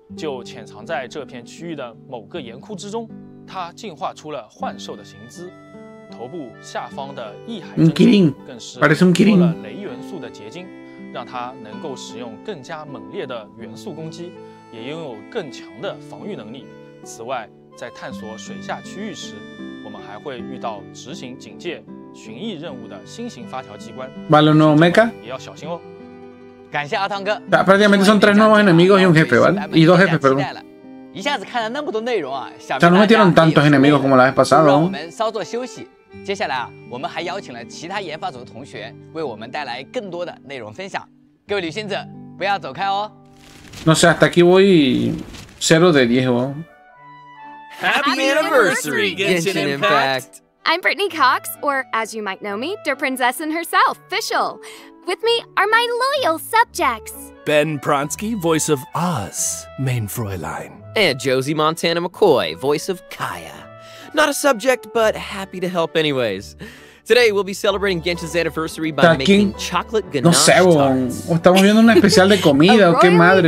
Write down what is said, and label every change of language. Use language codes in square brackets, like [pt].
[zh] 就潜藏在这片区域的某个岩窟之中，它进化出了幻兽的形姿，头部下方的异海真经更是多了雷元素的结晶，让它能够使用更加猛烈的元素攻击，也拥有更强的防御能力。此外，在探索水下区域时，我们还会遇到执行警戒巡弋任务的新型发条机关，也要小心哦。感谢阿汤哥。 [es] Prácticamente son tres nuevos enemigos y un jefe, ¿vale? Y dos jefes, perdón. [zh] 一下子看了那么多内容啊，想必大家也是为了。让我们稍作休息。接下来啊，我们还邀请了其他研发组的同学为我们带来更多的内容分享。各位旅行者，不要走开哦。 [es] No sé, hasta aquí voy cero de diez, ¿no? [en] Happy anniversary, Genshin Impact. I'm Brittany Cox, or as you might know me, the princessin herself, Fischl. With me are my loyal subjects. Ben Pronsky, voice of Oz, main Fräulein. And Josie Montana McCoy, voice of Kaya. Not a subject, but happy to help anyways. Today we'll be celebrating Genshin's anniversary by making chocolate ganache tarts. [es] No sé, o estamos viendo un especial de comida, o qué madre.